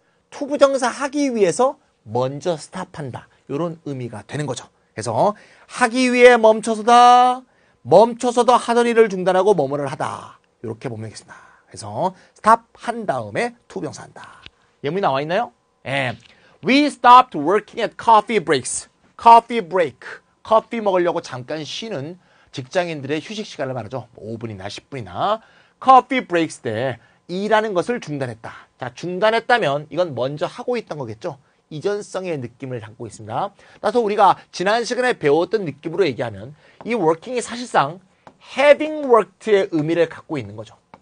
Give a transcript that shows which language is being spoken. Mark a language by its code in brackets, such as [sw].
[ko] 투부정사 하기 위해서 먼저 stop 한다. 이런 의미가 되는 거죠. 그래서 하기 위해 멈춰서다. 멈춰서도 하던 일을 중단하고 뭐뭐를 하다. 이렇게 보면 되겠습니다. 그래서 stop 한 다음에 투부정사 한다. 예문이 나와 있나요? 예. [en] We stopped working at coffee breaks. Coffee break. [ko] 커피 먹으려고 잠깐 쉬는 직장인들의 휴식 시간을 말하죠. 5분이나 10분이나. Coffee breaks 때 일하는 것을 중단했다. 자, 중단했다면 이건 먼저 하고 있던 거겠죠. 이전성의 느낌을 담고 있습니다. 따라서 우리가 지난 시간에 배웠던 느낌으로 얘기하면 이 working이 사실상 having worked의 의미를 갖고 있는 거죠.